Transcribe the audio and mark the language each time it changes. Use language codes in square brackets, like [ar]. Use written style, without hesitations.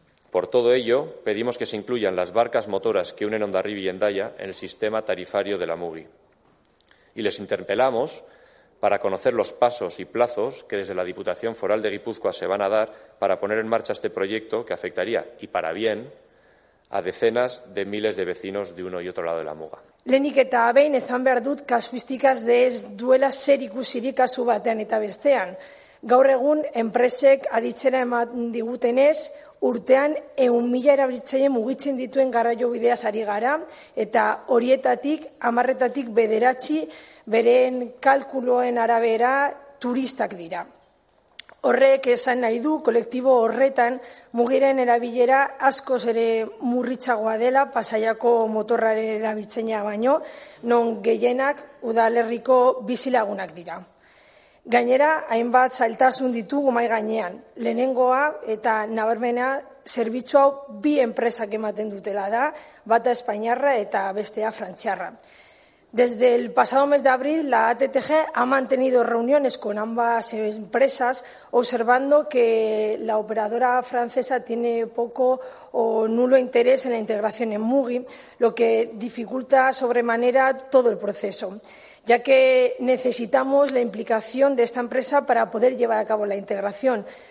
[es] Por todo ello, pedimos que se incluyan las barcas motoras que unen Hondarribia y Hendaya en el sistema tarifario de la Mugi. Y les interpelamos para conocer los pasos y plazos que desde la Diputación Foral de Guipúzcoa se van a dar para poner en marcha este proyecto que afectaría, y para bien, a decenas de miles de vecinos de uno y otro lado de la Muga. [eu] Lehenik eta behin esan behar dut kasuistikaz de ez duela zer ikusirik kasu batean eta bestean. Gaur egun, enpresek aditzera eman digutenez, urtean 100.000 erabiltzaile mugitzen dituen garraio bideaz ari gara, eta horietatik, 10-9 beren kalkuloen arabera turistak dira. Horrek esan nahi du, kolektibo horretan mugiren erabilera askoz ere murritzagoa dela Pasaiako motorraren erabiltzaina baino, non gehienak udalerriko bizilagunak dira. Gainera, hainbat zailtasun ditugu mai gainean. Lehenengoa eta nabarmena zerbitzu hau bi enpresak ematen dutela da, bata espainiarra eta bestea frantziarra. [es] Desde el pasado mes de abril, la ATTG ha mantenido reuniones con ambas empresas, observando que la operadora francesa tiene poco o nulo interés en la integración en Mugi, lo que dificulta sobremanera todo el proceso, ya que necesitamos la implicación de esta empresa para poder llevar a cabo la integración,